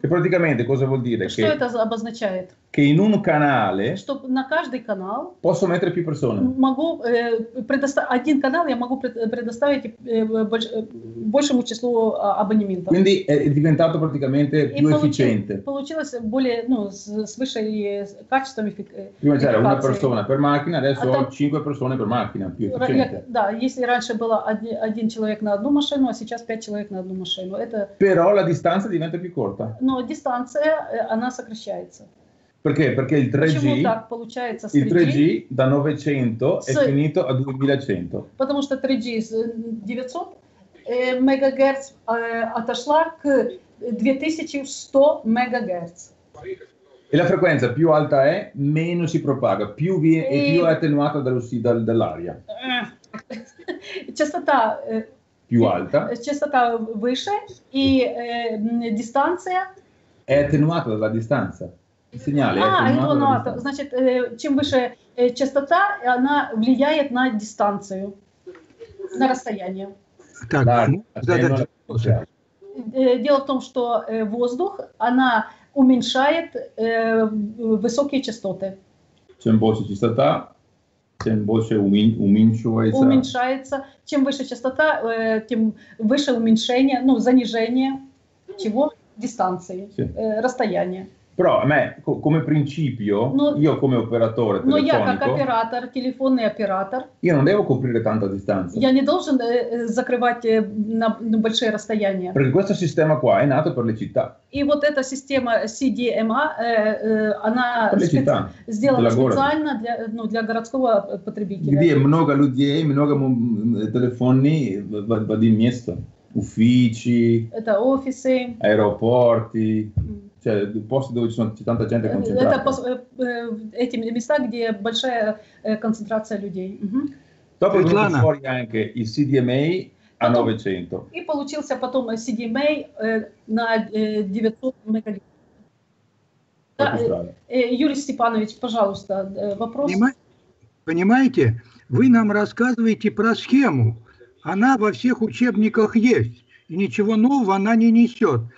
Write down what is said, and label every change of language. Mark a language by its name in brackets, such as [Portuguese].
[Italian] Che praticamente cosa vuol dire? [Russian] Что это обозначает? [Italian] Che in un canale. [Russian] Что на каждый канал. [Italian] Posso mettere più persone. [Russian] Могу один канал я могу предоставить большему числу абонементов. [Italian] Quindi è diventato praticamente più efficiente. [Russian] Получилось более, ну, с высшей качеством эффективности. [Italian] Prima c'era una persona per macchina, adesso ho 5 persone per macchina, più efficiente. [Russian] Да, если раньше было один человек на одну машину, а сейчас 5 человек на одну машину. [Italian] Però la distanza diventa più corta. [Russian] Но дистанция она сокращается. [Italian] Perché? Perché il 3G. [Russian] Почему так получается с 3G? [Italian] Il 3G da 900 è finito a 2100. [Russian] Потому что 3G с 900 мегагерц отошла к 2100 мегагерц. [Italian] E la frequenza più alta è, meno si propaga, più viene e più è attenuata dall'aria. [Russian] Частота [Italian] più alta. [Russian] Частота выше и дистанция. [Italian] È attenuata dalla distanza. Il segnale è attenuato. [Russian] Значит, чем выше частота, она влияет на дистанцию, на расстояние. Так. Дело в том, что воздух, она уменьшает высокие частоты. Чем больше частота, тем больше уменьшается. Уменьшается. Чем выше частота, тем выше уменьшение, ну, занижение чего? Дистанции, расстояния. [Italian] Però a me, come principio, no, io come operatore telefonico, [Russian] я как оператор, телефонный оператор, [Italian] io non devo coprire tanta distanza. [Russian] Я не должен закрывать на большие расстояния. [Italian] Perché questa sistema qua è nata per le città. [Russian] И вот эта система CDMA, она сделана специально для, ну, для городского потребителя. [Italian] Где много людей, много телефонов в один место. Уфичи, [Russian] это офисы, аэропорты. [Italian] Cioè, posti dove ci sono tanta gente concentrata. [Russian] Это места, где большая концентрация людей. [Italian] Dopo è venuto fuori anche il CDMA a 900. [Russian] И получился потом CDMA на 900 мегагерц. Юрий Степанович, пожалуйста, вопрос. Понимаете, вы нам рассказываете про схему. Она во всех учебниках есть. И ничего нового она не несет.